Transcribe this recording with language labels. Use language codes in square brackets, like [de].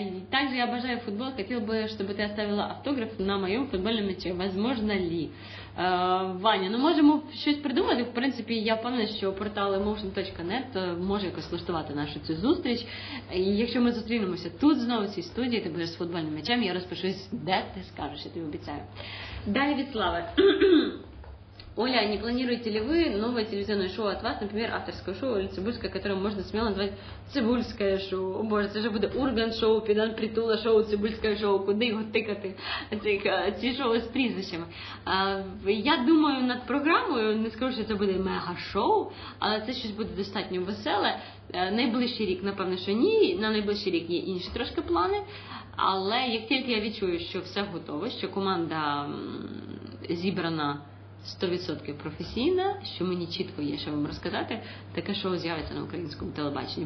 [uk] Також я бажаю футбол, хотів би, щоб ти оставила автограф на моєму футбольному м'ячі. [ru] Возможно ли? [uk] Ваня, ну можемо щось придумати. В принципі, я впевнена, що портал emotion.net може якось влаштувати нашу цю зустріч. І якщо ми зустрінемося тут знову, в цій студії, ти будеш з футбольним м'ячем, я розпишусь, де ти скажеш, я тобі обіцяю. Далі від Слави. [ru] Оля, не планируете ли вы новое телевизионное шоу от вас, например, авторское шоу или Цибульское, которое можно смело назвать Цибульское шоу? О боже, это же будет Ургант шоу, Педан Притула шоу, Цибульское шоу, куда его тыкать, эти шоу с прізвищами. Я думаю над программой, не скажу, что это будет мега-шоу, але это что-то будет достаточно веселое. [uk] Найближчий рік, напевно, що ні, на найближчий рік є інші трошки плани, але як тільки я відчую, що все готово, що команда зібрана 100% професійна, що мені чітко є, що вам розказати, таке шоу з'явиться на українському телебаченні.